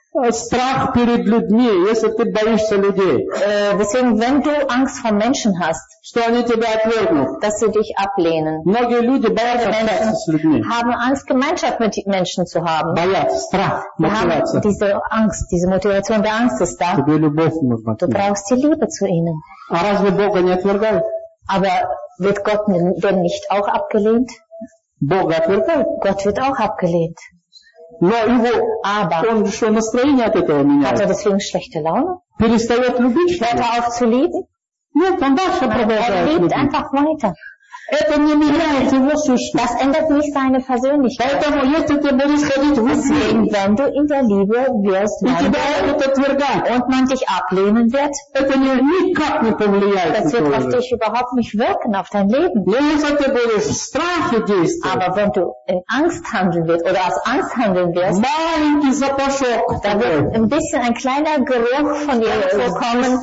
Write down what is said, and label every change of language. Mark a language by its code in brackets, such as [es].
[ru] Страх перед людьми, если ты боишься людей. [de] Deswegen, wenn du Angst vor Menschen hast, [ru] что они тебя отвергнут, [de] dass sie dich ablehnen. [ru] Многие люди боятся общаться с людьми. [de] Haben Angst, Gemeinschaft mit Menschen zu haben. [ru] Боятся, страх, мотивация. [de] Diese Angst, diese Motivation der Angst ist da. [ru] Тебе любовь нужна. [de] Du brauchst die Liebe zu ihnen. [ru] А разве Бога не отвергают? [de] Aber wird Gott denn nicht auch abgelehnt? [ru] Бога отвергают? [de] Gott wird auch abgelehnt. [ru] Но его, [de] aber, [ru] он что, настроение от этого меняет? [de] Hat er deswegen schlechte Laune? [ru] Перестает любить, что ли? [de] Hört er auf zu lieben? [ru] Нет, он дальше продолжает любить. [de] Er lebt einfach weiter. [ru] Это не меняет его сущность. [de] Das ändert nicht seine Persönlichkeit. [ru] Поэтому, если ты будешь ходить в любви, [de] wenn du in der Liebe wirst, [ru] и тебя будут отвергать, [de] und man dich ablehnen wird, [ru] это никак не повлияет. [de] Das wird auf dich überhaupt nicht wirken, auf dein Leben. [ru] Но если ты будешь в страхе действовать, [de] aber wenn du in Angst handeln wirst, oder aus Angst handeln wirst, [ru] маленький запашок, [de] da wird ein bisschen ein kleiner Geruch von dir kommen,